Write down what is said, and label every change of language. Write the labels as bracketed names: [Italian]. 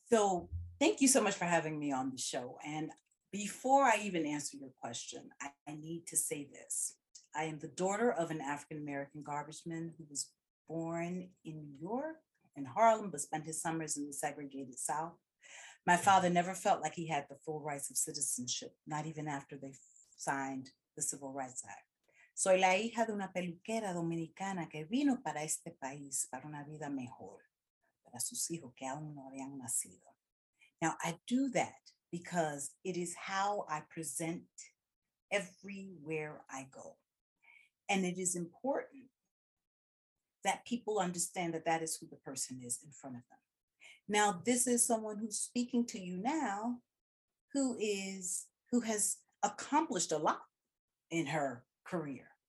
[English] So thank you so much for having me on the show. And before I even answer your question, I need to say this. I am the daughter of an African-American garbage man who was born in New York and Harlem, but spent his summers in the segregated South. My father never felt like he had the full rights of citizenship, not even after they signed the Civil Rights Act. [Spanish] Soy la hija de una peluquera dominicana que vino para este país para una vida mejor, para sus hijos que aún no habían nacido. [English] Now, I do that because it is how I present everywhere I go. And it is important that people understand that that is who the person is in front of them. Now, this is someone who's speaking to you now who has accomplished a lot in her career.